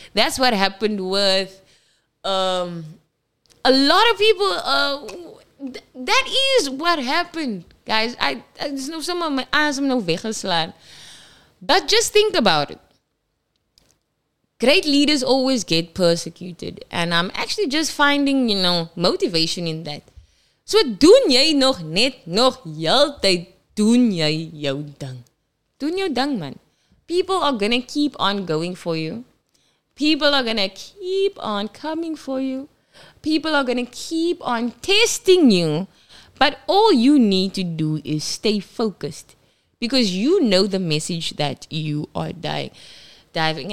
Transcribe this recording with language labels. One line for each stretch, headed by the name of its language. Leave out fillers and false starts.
English: That's what happened with a lot of people. That is what happened, guys. But just think about it. Great leaders always get persecuted. And I'm actually just finding, you know, motivation in that.
Afrikaans: So, doen jy nog net nog heeltyd, doen jy jou ding. Doen jou ding, man.
English: People are going to keep on going for you. People are going to keep on coming for you. People are going to keep on testing you. But all you need to do is stay focused. Because you know the message that you are dying. Diving.